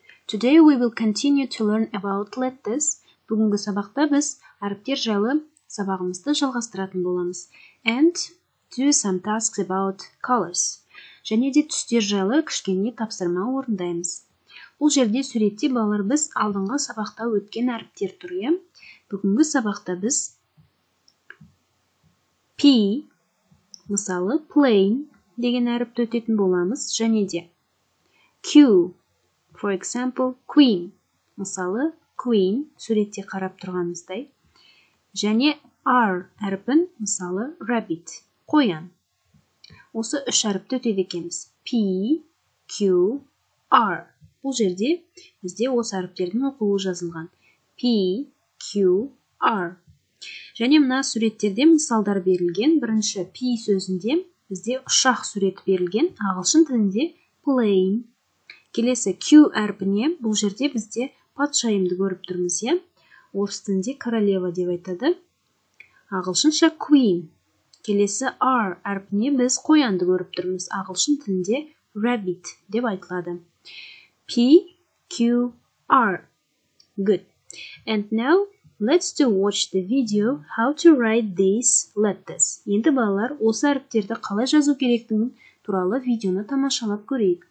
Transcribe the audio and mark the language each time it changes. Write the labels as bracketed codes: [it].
[en] Today we will continue to learn about letters. [kk] Бүгінгі сабақта біз әріптер жайлы сабағымызды жалғастыратын боламыз. [en] And do some tasks about colors. [kk] Және де түстер жайлы кішкене тапсырма орындаймыз. Бұл жерде суретте балар біз алдыңғы сабақта өткен әріптер тұрыя. Бүгінгі сабақта біз P, мысалы, plain деген әріпті өтетін боламыз, және де. Q, [en] for example, [kk] queen, мысалы, queen, суретте қарап тұрғанымыздай. Және R әріпін, мысалы, rabbit, қоян. Осы үш әріпті өтеді екеміз. [en] P, Q, R. [kk] Бұл жерде, бізде осы әріптердің оқылуы жазылған. [en] P, Q, R. [kk] Және мына суреттерде мысалдар берілген. Бірінші P сөзінде бізде ұшақ суреті берілген. Ағылшын тілінде plane. Келесі Q әрпіне бұл жерде бізде патшайымды көріп тұрмыз. Орыс тілінде королева деп айтады. Ағылшынша queen. Келесі R әрпіне біз қоянды көріп тұрмыз. Ағылшын тілінде rabbit деп айтылады. [en] P, Q, R. Good. And now let's do watch the video how to write these letters. [kk] Енді балалар осы әріптерді қалай жазу керектігін туралы видеоны тамашалап көрейік.